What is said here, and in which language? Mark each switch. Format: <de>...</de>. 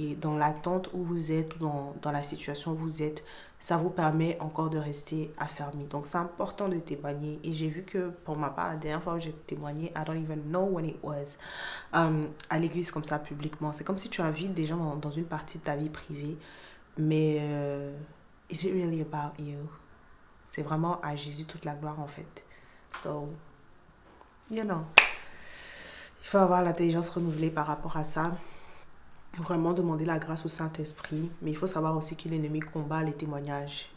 <fr>Et dans l'attente où vous êtes, dans la situation où vous êtes, ça vous permet encore de rester affermi. Donc c'est important de témoigner. Et j'ai vu que pour ma part, la dernière fois où j'ai témoigné,</fr> <en>I don't even know when it was,</en> <fr>à l'église comme ça, publiquement. C'est comme si tu invites des gens dans une partie de ta vie privée. Mais</fr> <en>is it really about you?</en> <fr>C'est vraiment à Jésus toute la gloire en fait.</fr> <en>So, you know.</en> <fr>Il faut avoir l'intelligence renouvelée par rapport à ça. Vraiment demander la grâce au Saint-Esprit. Mais il faut savoir aussi que l'ennemi combat les témoignages.</fr>